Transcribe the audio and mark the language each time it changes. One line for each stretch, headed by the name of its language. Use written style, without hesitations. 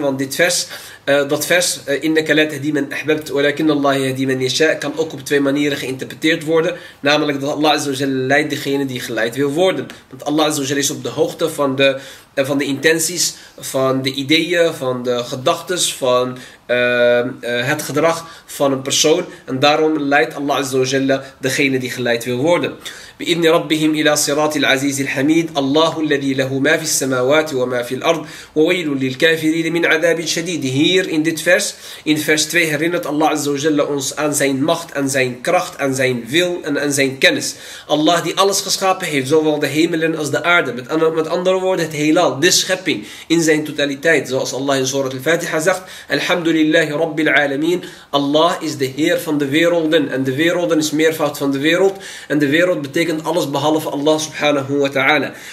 Dutch: Want dit vers, dat vers,
Arabic: innaka la tahdi man ahbabt walakin Allah yahdi man yasha,
Dutch: kan ook op twee manieren geïnterpreteerd worden. Namelijk dat Allah azza wa jalla leidt degene die geleid wil worden. Want Allah azza wa jalla is op de hoogte van de intenties, van de ideeën, van de gedachtes, van het gedrag van een persoon. En daarom leidt Allah Azza wa Jalla degene die geleid wil worden.
Arabic: بإذن ربهم إلى صراط العزيز الحميد الله الذي له ما في السماوات وما في الأرض وويل للكافرين من عذاب شديد.
Dutch: Hier in dit vers, in vers 2, herinnert Allah Azza wa Jalla ons aan zijn macht, aan zijn kracht, aan zijn wil en aan zijn kennis. Allah die alles geschapen heeft, zowel de hemelen als de aarde, met andere woorden het heelal, de schepping in zijn totaliteit, zoals Allah in Surat al-Fatiha zegt,
Arabic: Alhamdulillahi Rabbil Alameen,
Dutch: Allah is de Heer van de werelden en de werelden is meervoud van de wereld en de wereld betekent alles behalve Allah
Arabic: subhanahu wa ta'ala.